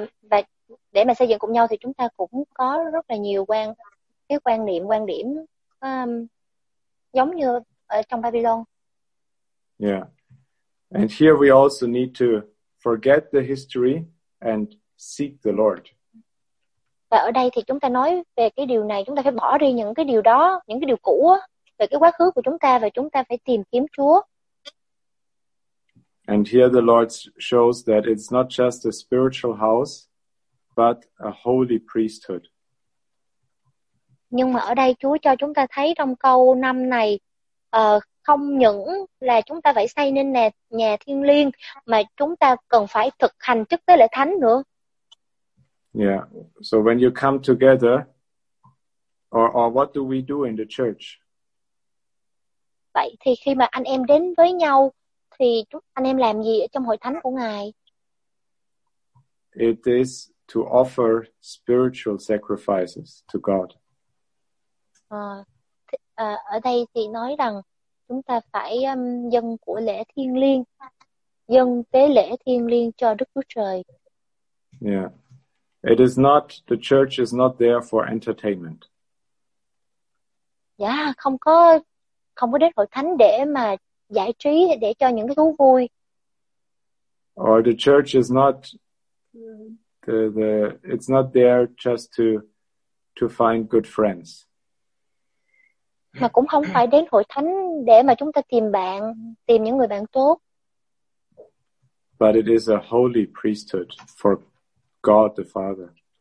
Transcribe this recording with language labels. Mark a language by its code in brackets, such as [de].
[vi] Và để mà xây dựng cùng nhau thì chúng ta cũng có rất là nhiều quan điểm giống như ở trong Babylon. Yeah. [en] And here we also need to forget the history and seek the Lord. [vi] Và ở đây thì chúng ta nói về cái điều này, chúng ta phải bỏ đi những cái điều đó, những cái điều cũ á, về cái quá khứ của chúng ta và chúng ta phải tìm kiếm Chúa. [en] And here the Lord shows that it's not just a spiritual house, but a holy priesthood. [vi] Nhưng mà ở đây Chúa cho chúng ta thấy trong câu 5 này, không những là chúng ta phải xây nên nhà thiêng liêng, mà chúng ta cần phải thực hành chức tế lễ thánh nữa. [en] Yeah, so when you come together, or what do we do in the church? [vi] Vậy thì khi mà anh em đến với nhau, thì anh em làm gì ở trong hội thánh của Ngài? [en] It is to offer spiritual sacrifices to God. [vi] Ở đây thì nói rằng chúng ta phải dâng của lễ thiêng liêng, dâng tế lễ thiêng liêng cho Đức Chúa Trời. Yeah. [en] It is not, the church is not there for entertainment. [vi] Yeah, không có đến hội thánh để mà giải trí, để cho những cái thú vui. [en] Or the church is not the it's not there just to find good friends. [vi] Mà cũng không phải đến hội thánh để mà chúng ta tìm bạn, tìm những người bạn tốt. [en] But it is a holy priesthood for God the Father.